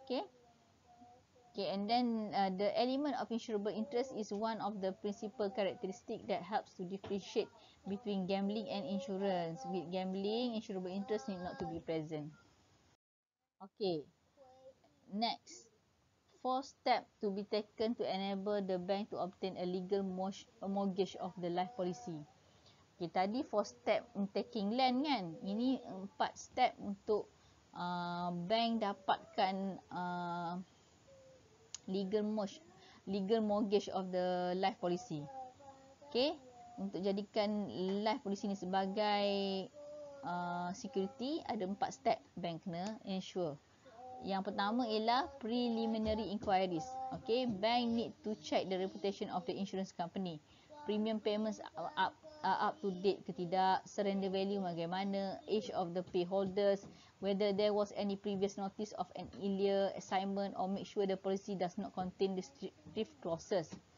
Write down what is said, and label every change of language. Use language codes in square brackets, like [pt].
[en] Okay, and then the element of insurable interest is one of the principal characteristic that helps to differentiate between gambling and insurance. With gambling, insurable interest need not to be present. Okay, next. Four steps to be taken to enable the bank to obtain a legal mortgage of the life policy. Okay, tadi four steps in taking land kan? [ms] Ini empat step untuk bank dapatkan legal [en] legal mortgage of the life policy. [ms] Okay, untuk jadikan life policy ni sebagai security, ada 4 step bank kena ensure. Yang pertama ialah preliminary inquiries. [en] Okay, bank need to check the reputation of the insurance company. Premium payments up to date [ms] ke tidak, [en] surrender value bagaimana, age of the pay holders, whether there was any previous notice of an earlier assignment, or make sure the policy does not contain restrictive clauses.